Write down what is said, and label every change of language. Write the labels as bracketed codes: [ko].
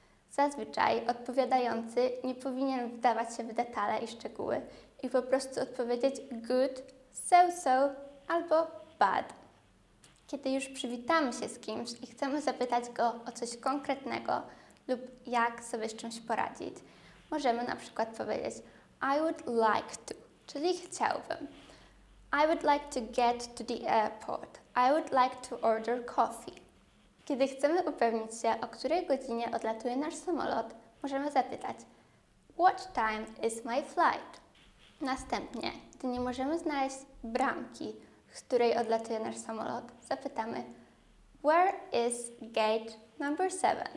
[pl] Zazwyczaj odpowiadający nie powinien wdawać się w detale i szczegóły i po prostu odpowiedzieć [en] good, so-so [pl] albo bad. Kiedy już przywitamy się z kimś i chcemy zapytać go o coś konkretnego lub jak sobie z czymś poradzić, możemy na przykład powiedzieć [en] I would like to, [pl] czyli chciałbym. [en] I would like to get to the airport. I would like to order coffee. [pl] Kiedy chcemy upewnić się, o której godzinie odlatuje nasz samolot, możemy zapytać [en] what time is my flight? [pl] Następnie, gdy nie możemy znaleźć bramki, z której odlatuje nasz samolot, zapytamy [en] where is gate number 7?